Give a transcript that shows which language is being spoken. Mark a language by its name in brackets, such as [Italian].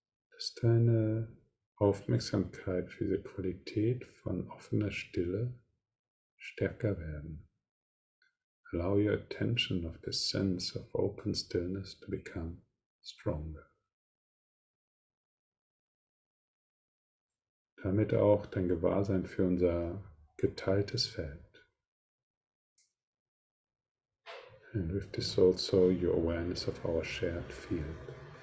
[German] dass deine Aufmerksamkeit für diese Qualität von offener Stille stärker werden. [English] Allow your attention of the sense of open stillness to become stronger. [German] Damit auch dein Gewahrsein für unser geteiltes Feld. [English] And with this also your awareness of our shared field.